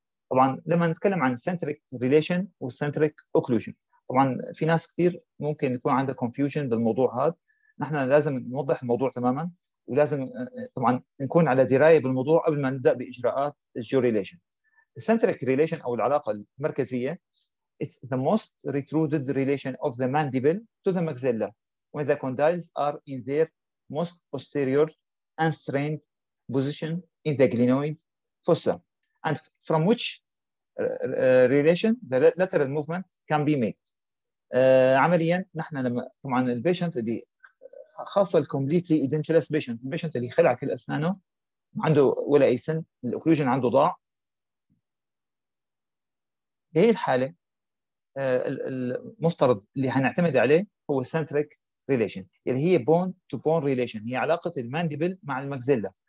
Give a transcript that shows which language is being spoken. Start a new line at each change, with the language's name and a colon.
Arabic: طبعا لما نتكلم عن centric relation و centric occlusion، طبعا في ناس كثير ممكن يكون عندها confusion بالموضوع هذا، نحن لازم نوضح الموضوع تماما، ولازم طبعا نكون على دراية بالموضوع قبل ما نبدأ بإجراءات الجيو ريليشن.
English: Centric relation
Arabic: أو العلاقة المركزية
English: is the most retruded relation of the mandible to the maxilla when the condyles are in their most posterior unstrained position in the glenoid fossa and from which relation the lateral movement can be made.
Arabic: عمليا نحن لما طبعا البيشنت اللي خاصة الكومبليتلي ايدنتشلس بيشنت، البيشنت اللي خلع كل أسنانه عنده ولا أي سن، الأوكلوجن عنده ضاع، هي الحالة المفترض اللي هنعتمد عليه هو centric relation اللي هي
English: bone to bone relation،
Arabic: هي علاقة المانديبل مع المكزيلا.